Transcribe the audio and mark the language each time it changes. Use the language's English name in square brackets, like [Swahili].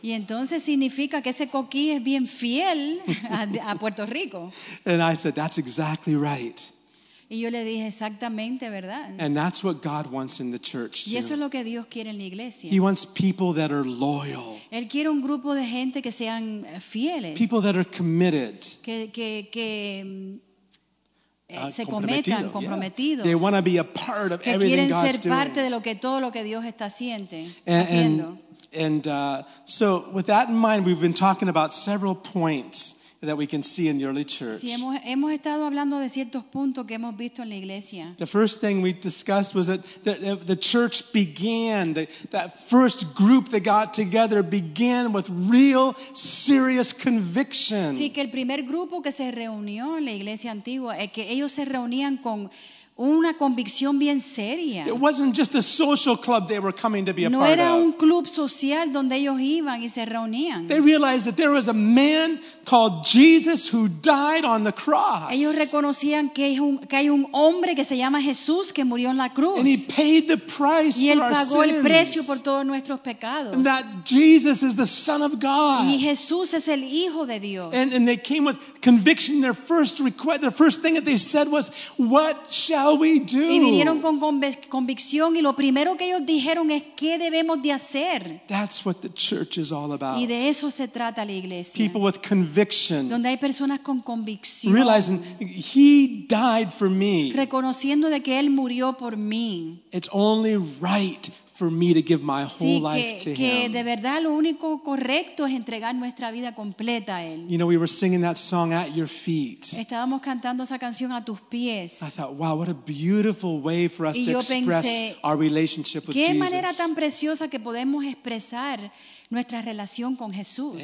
[Spanish] Y entonces significa que ese coqui es bien fiel a Puerto Rico. [English] And I said, that's exactly right. [Spanish] Y yo le dije, exactamente, ¿verdad? [English] And that's what God wants in the church, too. [Spanish] Y eso es lo que Dios quiere en la iglesia. [English] He wants people that are loyal. [Spanish] Él quiere un grupo de gente que sean fieles. [English] People that are committed. [Spanish] Que se cometan comprometidos. [English] Yeah. They want to be a part of everything [Spanish] quieren [English] God's [Spanish] ser parte [English] doing. [Spanish] De lo que todo lo que Dios está haciendo. [English] So with that in mind, we've been talking about several points that we can see in the early church. [Spanish] Sí, hemos estado hablando de ciertos puntos que hemos visto en la iglesia. [English] The first thing we discussed was that the church began, that first group that got together began with real serious conviction. [Spanish] Sí, que el primer grupo que se reunió en la iglesia antigua es que ellos se reunían con una convicción bien seria. [English] It wasn't just a social club they were coming to be a part of. [Spanish] No era un club social donde ellos iban y se reunían. [English] They realized that there was a man called Jesus who died on the cross. [Spanish] Ellos reconocían que hay un hombre que se llama Jesús que murió en la cruz. [English] And he paid the price for our sins. [Spanish] Y él pagó el precio por todos nuestros pecados. [English] And that Jesus is the Son of God. [Spanish] Y Jesús es el Hijo de Dios. [English] And they came with conviction. Their first request, their first thing that they said was, "What shall shall we do? [Spanish] Y vinieron con convicción y lo primero que ellos dijeron es qué debemos de hacer. [English] That's what the church is all about. [Spanish] Y de eso se trata la iglesia. [English] People with conviction. [Spanish] Donde hay personas con convicción. [English] Realizing he died for me. [Spanish] Reconociendo de que él murió por mí. [English] It's only right for me to give my whole life to him. [Spanish] Que de verdad lo único correcto es entregar nuestra vida completa a él. [English] You know, we were singing that song at your feet. [Spanish] Estábamos cantando esa canción a tus pies. [English] I thought, wow, what a beautiful way for us to express our relationship with Jesus. [Spanish] Qué manera tan preciosa que podemos expresar nuestra relación con Jesús.